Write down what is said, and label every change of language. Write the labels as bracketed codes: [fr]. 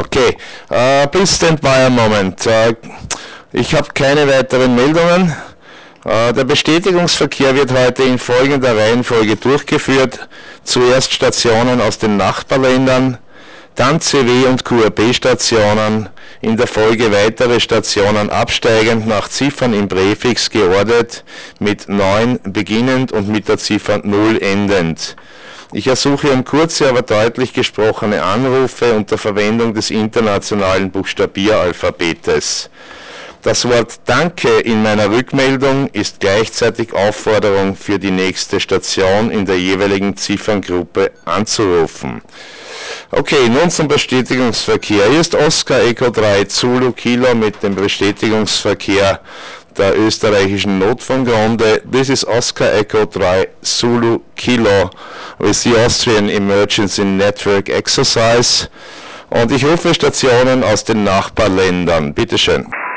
[en] okay, please stand by a moment. [de] Ich habe keine weiteren Meldungen. Der Bestätigungsverkehr wird heute in folgender Reihenfolge durchgeführt. Zuerst Stationen aus den Nachbarländern, dann CW- und QRP-Stationen, in der Folge weitere Stationen absteigend nach Ziffern im Präfix geordnet, mit 9 beginnend und mit der Ziffer 0 endend. Ich ersuche um kurze, aber deutlich gesprochene Anrufe unter Verwendung des internationalen Buchstabieralphabetes. Das Wort Danke in meiner Rückmeldung ist gleichzeitig Aufforderung für die nächste Station in der jeweiligen Zifferngruppe anzurufen. Okay, nun zum Bestätigungsverkehr. Hier ist Oscar Echo 3 Zulu Kilo mit dem Bestätigungsverkehr der österreichischen Notfunkrunde. [en] This is Oscar Echo 3 Zulu Kilo with the Austrian Emergency Network Exercise. [de] Und ich rufe Stationen aus den Nachbarländern. Bitte schön.